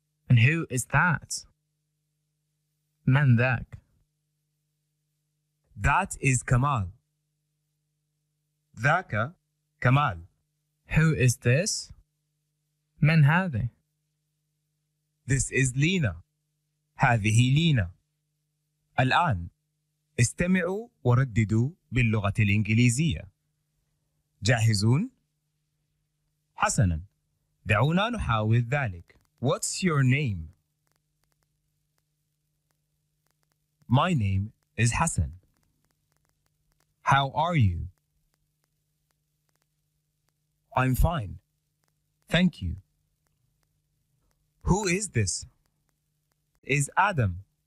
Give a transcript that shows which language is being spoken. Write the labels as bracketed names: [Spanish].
[English] And who is that? [Arabic] من ذاك؟ [English] That is Kamal. [Arabic] ذاك كمال. [English] Who is this? [Arabic] من هذا؟ [English] This is Lina. [Arabic] هذه لينا. الآن استمعوا ورددوا باللغة الإنجليزية. جاهزون؟ حسنا، دعونا نحاول ذلك. [English] What's your name? My name is Hassan. How are you? I'm fine. Thank you. Who is this? Is Adam.